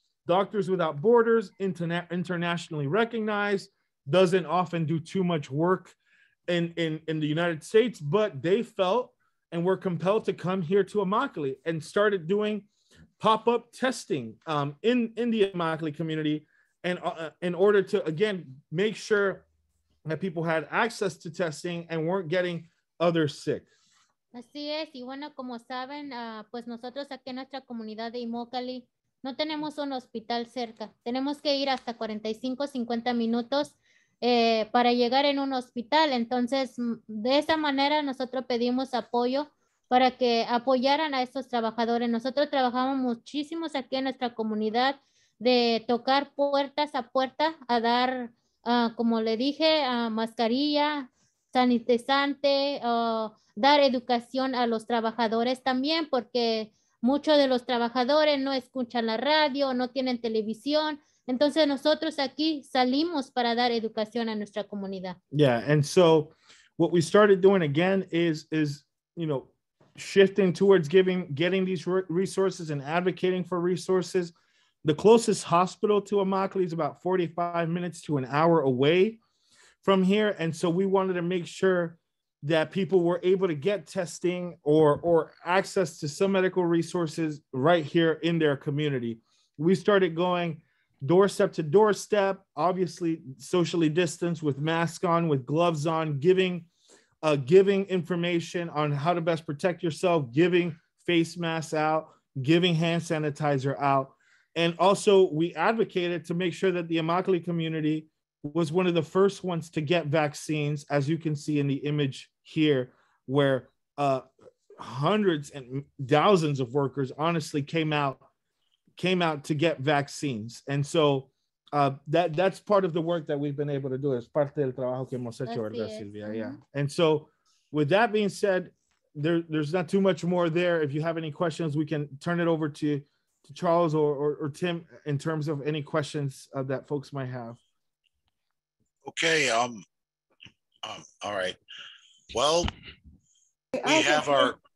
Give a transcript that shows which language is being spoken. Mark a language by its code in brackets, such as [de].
[en] Doctors Without Borders, internationally recognized, doesn't often do too much work in the United States, but they felt and were compelled to come here to Immokalee and started doing pop-up testing in the Immokalee community in order to, again, make sure that people had access to testing and weren't getting others sick. [es] Así es, y bueno, como saben, pues nosotros aquí en nuestra comunidad de Immokalee no tenemos un hospital cerca. Tenemos que ir hasta 45, 50 minutos para llegar en un hospital. Entonces, de esa manera nosotros pedimos apoyo para que apoyaran a estos trabajadores. Nosotros trabajamos muchísimos aquí en nuestra comunidad de tocar puertas a puerta, a dar, como le dije, mascarilla, sanitizante, dar educación a los trabajadores también, porque muchos de los trabajadores no escuchan la radio, no tienen televisión. Entonces nosotros aquí salimos para dar educación a nuestra comunidad. [en] Yeah, and so what we started doing again is you know, shifting towards getting these resources and advocating for resources. The closest hospital to Immokalee is about 45 minutes to an hour away from here. And so we wanted to make sure that people were able to get testing or access to some medical resources right here in their community. We started going doorstep to doorstep, obviously socially distanced with masks on, with gloves on, giving information on how to best protect yourself, giving face masks out, giving hand sanitizer out. And also we advocated to make sure that the Immokalee community was one of the first ones to get vaccines, as you can see in the image here, where hundreds and thousands of workers honestly came out to get vaccines. And so that's part of the work that we've been able to do. [es] Es parte del trabajo que hemos hecho, ¿verdad, Silvia? [en] Yeah. And so with that being said, there's not too much more there. If you have any questions, we can turn it over to Charles or Tim in terms of any questions that folks might have. Okay. All right. Well, we have our...